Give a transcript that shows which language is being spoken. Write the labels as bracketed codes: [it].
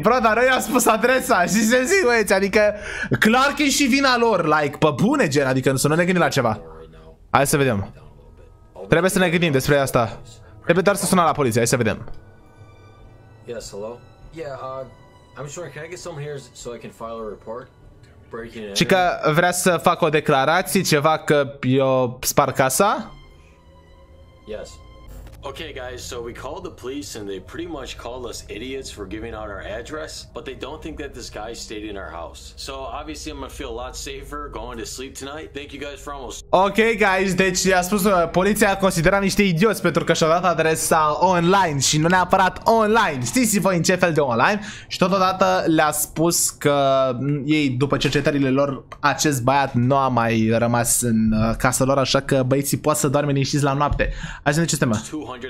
[ro] Bro, dar noi am spus adresa și se zic, băieți, adică clar că e și vina lor, like, pe bune, gen, adică să nu ne gândim la ceva. Hai să vedem. Trebuie să ne gândim despre asta. Trebuie doar să sunăm la poliție, hai să vedem. [en] Yes, hello? Yeah, I'm sure, can I get someone here so I can file a report? [ro] Și că vrea să fac o declarație, ceva că eu sparg casa? [en] Yes. Okay guys, so we called the police and they pretty much called us idiots for giving out our address, but they don't think that this guy stayed in our house. So obviously I'm gonna feel a lot safer going to sleep tonight. Thank you guys for almost. [ro] Okay guys, deci a spus poliția a considerat niște idioți pentru că și-a dat adresa online și nu neapărat online. Știți voi în ce fel de online? Și totodată le-a spus că ei după cercetările lor acest băiat nu a mai rămas în casa lor, așa că băieții pot să doarme liniștiți la noapte. Hai să vedem ce temă.